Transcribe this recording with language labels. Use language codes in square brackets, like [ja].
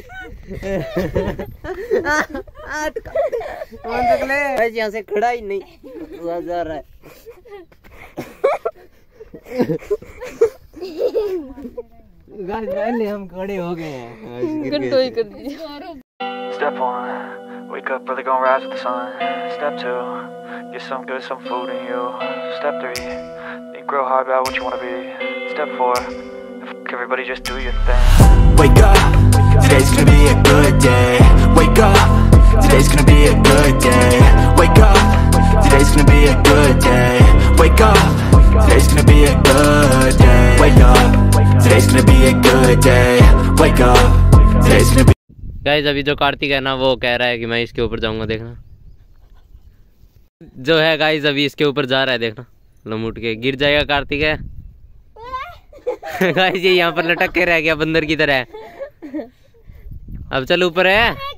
[hi] चक ले। गाइज यहाँ से खड़ा ही नहीं जा रहा है। गाइज पहले हम खड़े हो गए हैं, घंटों ही कर दिया। [en] Step 1, wake up early, gonna rise with the sun. Step 2, get some good, some food in you. Step 3, think real hard about what you wanna be. Step 4, fuck everybody, just do your thing. Wake up, today's gonna be a good day. Wake up, today's gonna be a good day. Wake up, today's gonna be a good day. Wake up, today's gonna be a good day. Wake up, today's gonna be a good day. Wake up, today's gonna be. [hi] Guys अभी जो कार्तिक है ना वो कह रहा है कि मैं इसके ऊपर जाऊंगा देखना। जो है गाइज अभी इसके ऊपर जा रहा है देखना, लमुट के गिर जाएगा कार्तिक है। गाइज ये यहाँ पर लटक के रह गया बंदर की तरह, अब चल ऊपर है।